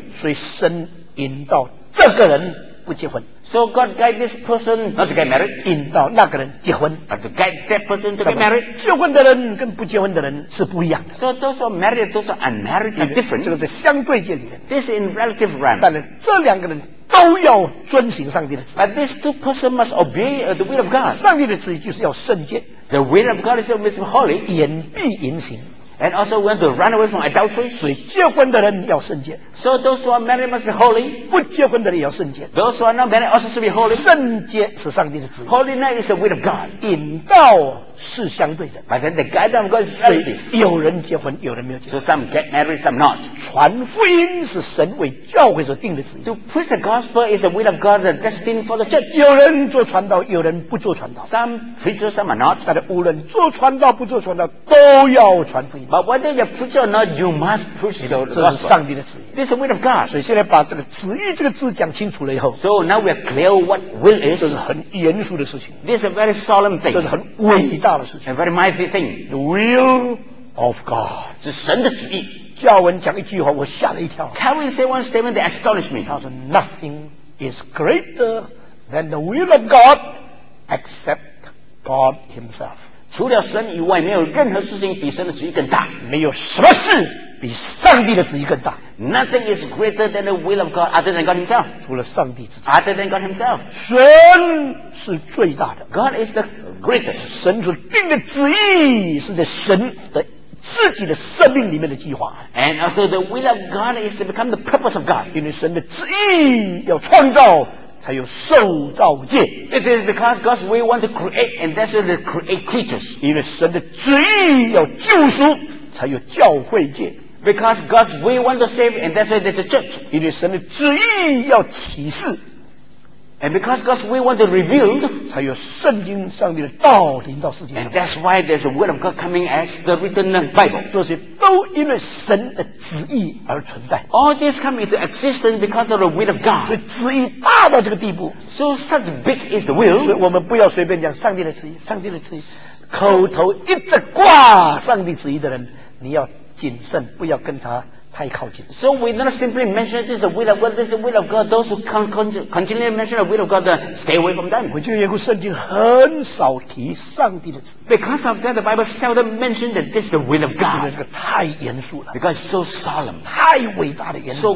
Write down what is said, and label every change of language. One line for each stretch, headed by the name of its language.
Chinese: 所以神引导这个人不结婚。
English: So God guide this person not to get married.
Chinese: 引导那个人结婚。
English: But to guide that person to get married.
Chinese: 结婚的人跟不结婚的人是不一样的。
English: So those who are married, those who are unmarried are different.
Chinese: 这个是相对界里面。
English: This is in relative realm.
Chinese: 但是这两个人都要遵行上帝的旨意。
English: But these two persons must obey the will of God.
Chinese: 上帝的旨意就是要圣洁。
English: The will of God is to be holy.
Chinese: 隐蔽隐行。
English: And also we want to run away from adultery.
Chinese: 所以结婚的人要圣洁。
English: So those who are married must be holy.
Chinese: 不结婚的人要圣洁。
English: Those who are not married also should be holy.
Chinese: 圣洁是上帝的旨意。
English: Holiness is the will of God.
Chinese: 引导是相对的。
English: But then the guidance of God is relative.
Chinese: 有人结婚，有人没有结婚。
English: So some get married, some not.
Chinese: 传福音是神为教会所定的旨意。
English: To preach the gospel is the will of God destined for the church.
Chinese: 有人做传道，有人不做传道。
English: Some preachers, some are not.
Chinese: 但是无论做传道不做传道，都要传福音。
English: But whether you preach or not, you must preach the gospel.
Chinese: 这是上帝的旨意。
English: This is the will of God.
Chinese: 所以现在把这个旨意这个字讲清楚了以后。
English: So now we are clear what will is.
Chinese: 这是很严肃的事情。
English: This is a very solemn thing.
Chinese: 这是很伟大的事情。
English: A very mighty thing. The will of God.
Chinese: 是神的旨意。加文讲一句话，我吓了一跳。
English: Calvin said one statement that astonished me.
Chinese: 他说
English: ，Nothing is greater than the will of God, except God Himself.
Chinese: 除了神以外，没有任何事情比神的旨意更大。没有什么事比上帝的旨意更大。
English: Nothing is greater than the will of God other than God Himself.
Chinese: 除了上帝自己。
English: Other than God Himself.
Chinese: 神是最大的。
English: God is the greatest.
Chinese: 神所定的旨意是在神的自己的生命里面的计划。
English: And also the will of God is to become the purpose of God.
Chinese: 因为神的旨意要创造。才有受造界。
English: It is because God's will want to create, and that's why they create creatures.
Chinese: 因为神的旨意要救赎，才有教会界。
English: Because God's will want to save, and that's why there's a church.
Chinese: 因为神的旨意要启示，
English: And because God's will wants to reveal,
Chinese: 才有圣经上帝的道临到世界上。
English: And that's why there's a word of God coming as the written Bible.
Chinese: 这些都因为神的旨意而存在。
English: All this comes into existence because of the will of God.
Chinese: 所以旨意大到这个地步。
English: So such big is the will.
Chinese: 所以我们不要随便讲上帝的旨意，上帝的旨意。口头一直挂上帝旨意的人，你要谨慎，不要跟他。太靠近。
English: So we not simply mention this is the will of God. This is the will of God. Those who continually mention the will of God, stay away from them.
Chinese: 我就因为圣经很少提上帝的旨意。
English: Because of that, the Bible seldom mentioned that this is the will of God.
Chinese: 因为这个太严肃了。
English: Because it's so solemn,
Chinese: 太伟大的严肃。